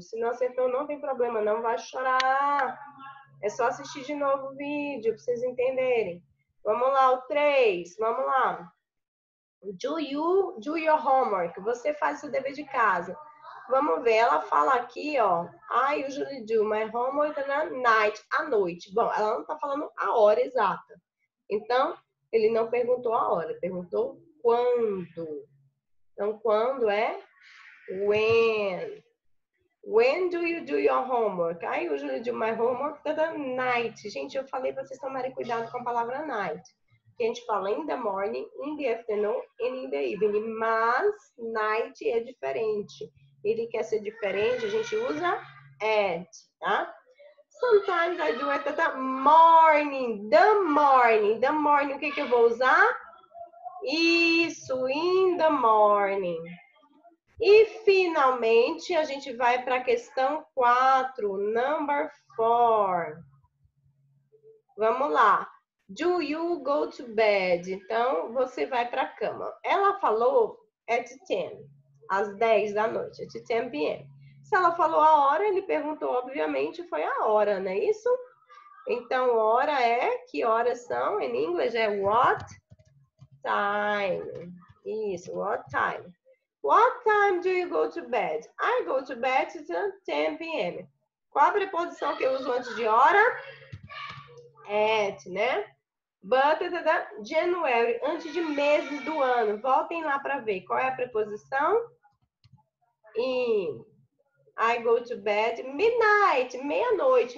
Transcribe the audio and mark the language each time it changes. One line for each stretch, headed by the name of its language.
Portuguese: Se não acertou, não tem problema, não vai chorar. É só assistir de novo o vídeo para vocês entenderem. Vamos lá, o 3, vamos lá.
English: Do you do your homework?
Portuguese: Você faz seu dever de casa. Vamos ver, ela fala aqui, ó.
English: I usually do my homework at night,
Portuguese: à noite. Bom, ela não tá falando a hora exata. Então, ele não perguntou a hora, perguntou quando. Então, quando é? When.
English: When do you do your homework? I usually do my homework at night.
Portuguese: Gente, eu falei pra vocês tomarem cuidado com a palavra night. Que a gente fala
English: in the morning, in the afternoon, and in the evening.
Portuguese: Mas, night é diferente. Ele quer ser diferente, a gente usa at, tá?
English: Sometimes I do it at morning. The morning.
Portuguese: The morning, o que que eu vou usar? Isso,
English: in the morning.
Portuguese: E finalmente a gente vai para a questão 4,
English: number 4.
Portuguese: Vamos lá.
English: Do you go to bed?
Portuguese: Então você vai para a cama. Ela falou at 10, às 10 da noite,
English: at 10 p.m.
Portuguese: Se ela falou a hora, ele perguntou, obviamente, foi a hora, não é isso? Então, hora é, que horas são? Em inglês é
English: what time. Isso, what time. What time do you go to bed? I go to bed at 10 p.m.
Portuguese: Qual a preposição que eu uso antes de hora? At, né?
English: But, January,
Portuguese: antes de meses do ano. Voltem lá para ver. Qual é a preposição? In.
English: I go to bed midnight,
Portuguese: meia-noite.